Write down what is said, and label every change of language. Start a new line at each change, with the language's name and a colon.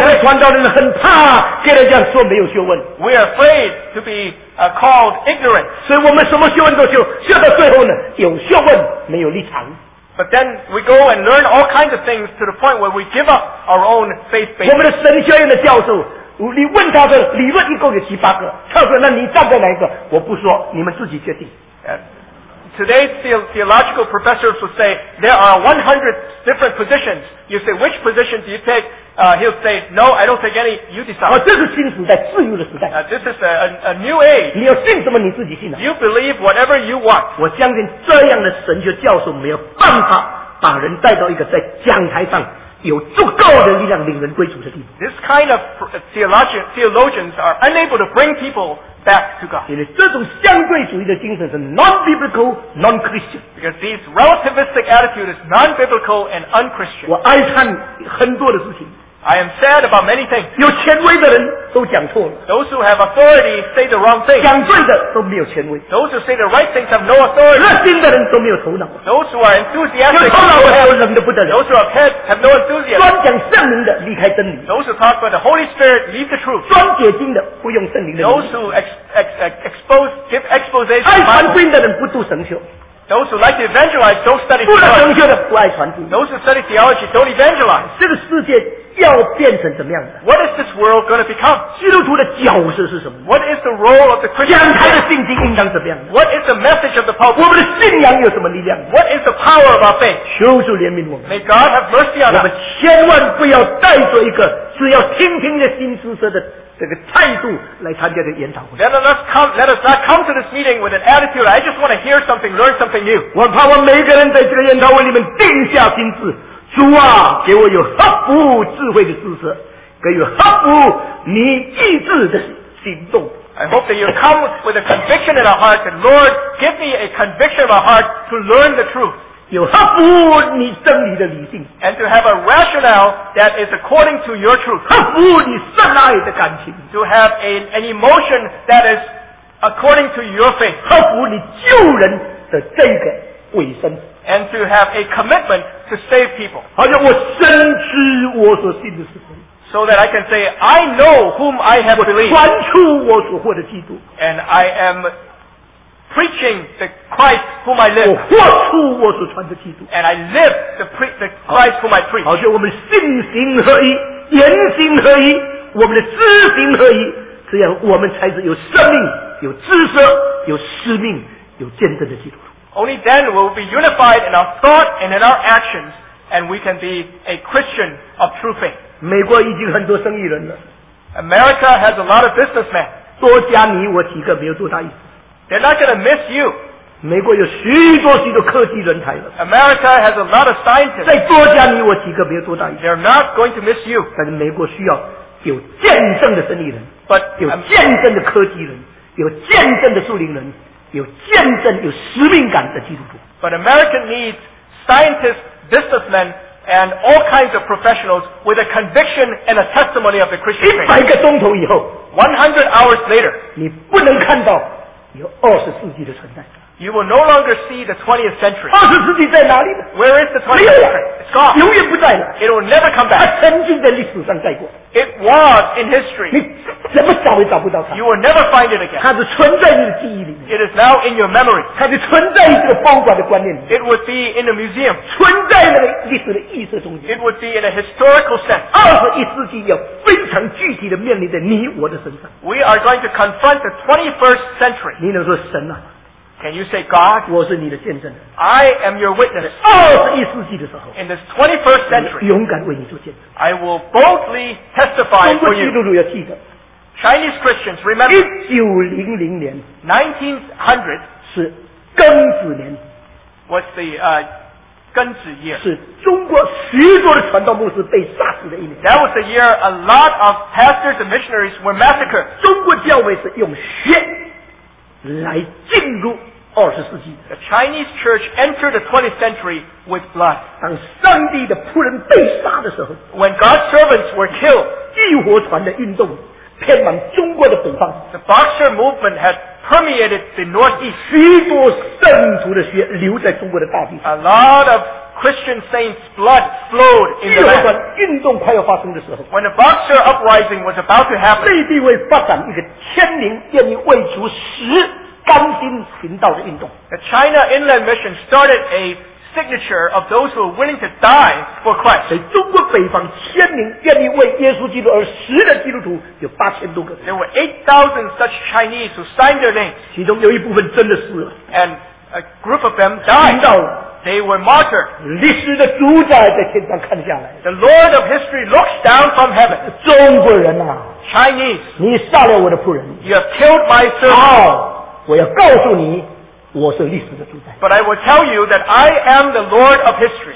Chinese: 我们传道人很怕跟人家说没有学问。
English: We are afraid to be called ignorant.
Chinese: 所以我们什么学问都修，修到最后呢，有学问没有立场。
English: But then we go and learn all kinds of things to the point where we give up our own faith basis.
Chinese: 我们的神学院的教授，你问他的理论一共有七八个，他说：“那你站在哪一个？” 我不说，你们自己决定。
English: Today's theological professors will say there are 100 different positions. You say which position do you take? He'll say, "No, I don't take any. You decide."
Chinese: 这是新时代，自由的时代。
English: This is a new age.
Chinese: 你要信什么，你自己信了。
English: You believe whatever you want.
Chinese: 我相信这样的神学教授没有办法把人带到一个在讲台上有足够的力量领人归主的地步。
English: This kind of theologians are unable to bring people back to God.
Chinese: 因为这种相对主义的精神是
English: non-biblical, non-Christian. Because this relativistic attitude is non-biblical and un-Christian.
Chinese: 我哀叹很多的事情。
English: I am sad about many things.
Chinese: 有权威的人都讲错了。
English: Those who have authority say the wrong thing.
Chinese: 讲对的都没有权威。
English: Those who say the right things have no authority.
Chinese: 热心的人都没有头脑。
English: Those who are enthusiastic.
Chinese: 有头脑的人都不得了。
English: Those who have head have no enthusiasm.
Chinese: 专讲圣灵的离开真理。
English: Those who talk about the Holy Spirit leave the truth.
Chinese: 专解经的不用圣灵的。
English: Those who expose give expose.
Chinese: 爱传福音的人不读神学。
English: Those who like to evangelize don't study theology.
Chinese: 不懂神学的不爱传福音。
English: Those who study theology don't evangelize.
Chinese: 这个世界要变成怎么样的？
English: What is this world going to become?
Chinese: 基督徒的角色是什么？
English: What is the role of the Christian?
Chinese: 讲台的信心应当怎么样的？
English: What is the message of the Pope?
Chinese: 我们的信仰有什么力量？
English: What is the power of our faith?
Chinese: 求主怜悯我们。
English: May God have mercy on us.
Chinese: 我们千万不要带着一个只要听听的心思说的这个态度来参加这个研讨会。
English: Let us not come to this meeting with an attitude. I just want to hear something, learn something new.
Chinese: 我盼望每一个人在这个研讨会里面定下心志。主啊，给我有合乎智慧的知识，给我合乎你意志的行动。
English: I hope that you come with a conviction in our hearts, and Lord, give me a conviction of our hearts to learn the truth.
Chinese: 有合乎你真理的理性
English: ，and to have a rationale that is according to your truth.
Chinese: 合乎你深爱的感情
English: ，to have an emotion that is according to your faith.
Chinese: 合乎你救人的这个委身。
English: And to have a commitment to save people.
Chinese: 好像我深知我所信的是谁。
English: So that I can say, I know whom I have believed.
Chinese: 传出我所获的基督。
English: And I am preaching the Christ whom I live.
Chinese: 我活出我所传的基督。
English: And I live the Christ whom I preach.
Chinese: 好像我们信心合一，言行合一，我们的知行合一，这样我们才是有生命，有知识，有使命，有见证的基督。
English: Only then will we be unified in our thought and in our actions, and we can be a Christian of true faith.
Chinese: 美国已经很多生意人了。
English: America has a lot of businessmen.
Chinese: 多加你我几个没有多大意思。
English: They're not going to miss you.
Chinese: 美国有许多许多科技人才了。
English: America has a lot of scientists.
Chinese: 再多加你我几个没有多大意思。
English: They're not going to miss you.
Chinese: 但是美国需要有见证的生意人，
English: But,
Chinese: 有见证的科技人，有见证的树林人。有见证、有使命感的基督徒。
English: But America needs scientists, businessmen, and all kinds of professionals with a conviction and a testimony of the Christian faith.
Chinese: 100个钟头以后
English: ，100 hours later，
Chinese: 你不能看到有二十世纪的存在。
English: You will no longer see the 20th century.
Chinese: 二十世纪在哪里呢
English: ？Where is the 20th century? It's gone.
Chinese: 永远不在了。
English: It will never come back.
Chinese: 它曾经在历史上在过。
English: It was in history.
Chinese: 你怎么找也找不到它。
English: You will never find it again.
Chinese: 它是存在你的记忆里面。
English: It is now in your memory.
Chinese: 它是存在于这个博物馆的观念里面。
English: It would be in a museum.
Chinese: 存在那个历史的意识中间。
English: It would be in a historical sense.
Chinese: 二十一世纪要非常具体的面临在你我的身上。
English: We are going to confront the 21st century.
Chinese: 你能说神啊？
English: Can you say God?
Chinese: 我是你的见证人。
English: I am your witness.
Chinese: 21世纪的时候。
English: In this 21st century.
Chinese: 勇敢为你做见证。
English: I will boldly testify for you.
Chinese: 中国基督徒要记得。
English: Chinese Christians, remember.
Chinese: 1900年。
English: 1900.
Chinese: 是庚子年。
English: What's the, 庚子 year?
Chinese: 是中国许多的传道牧师被杀死的一年。
English: That was the year a lot of pastors and missionaries were massacred.
Chinese: 中国教会是用血。来进入二十世纪。
English: The Chinese Church entered the 20th century with blood.
Chinese: 当上帝的仆人被杀的时候
English: ，When God's servants were killed，
Chinese: 义和团的运动遍满中国的北方。
English: The Boxer movement had permeated the northeast.
Chinese: 许多圣徒的血流在中国的大地上。
English: A lot of Christian saints' blood flowed in the land. 义和团
Chinese: 运动快要发生的时候。
English: When the Boxer uprising was about to happen.
Chinese: 内地会发展一个千年愿意为主死甘心行道的运动。
English: The China Inland Mission started a signature of those who are willing to die for Christ.
Chinese: 在中国北方千名愿意为耶稣基督而死的基督徒有八千多个。
English: There were 8,000 such Chinese who signed their names.
Chinese: 其中有一部分真的死了。
English: And a group of them died. They were martyred.
Chinese: 历史的主宰在天上看下来。
English: The Lord of history looks down from heaven.
Chinese: 中国人啊
English: ，Chinese，
Chinese: 你杀了我的仆人。
English: You have killed my servant.
Chinese: 好，我要告诉你。我是历史的主宰。
English: But I will tell you that I am the Lord of history.